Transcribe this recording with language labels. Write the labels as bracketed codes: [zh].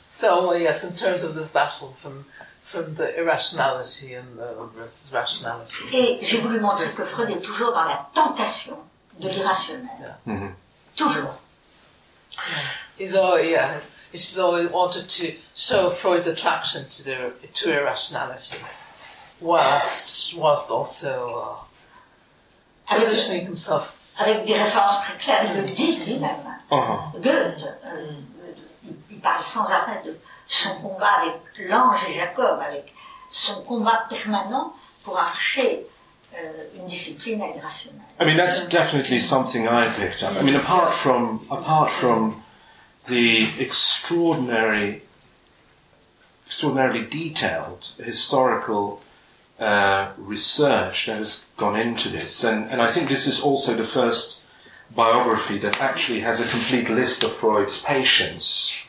[en] So in terms of this battle from the irrationality and versus rationality. [fr] Et j'ai voulu montrer que Freud est toujours dans la tentation de l'irrationnel. Yeah. Mm-hmm. Toujours. [en] Yeah. She's always wanted to show Freud's attraction to irrationality, whilst also positioning himself. [fr] Avec des références très claires, il le dit lui-même. Uh-huh. Goethe, il parle sans arrêt de son combat avec l'ange et Jacob, avec son combat permanent pour arracher une discipline à l'irrationnel. [en] I mean, that's definitely something I picked up. I mean, apart from the extraordinarily detailed historical research that has gone into this, and I think this is also the first biography that actually has a complete list of Freud's patients.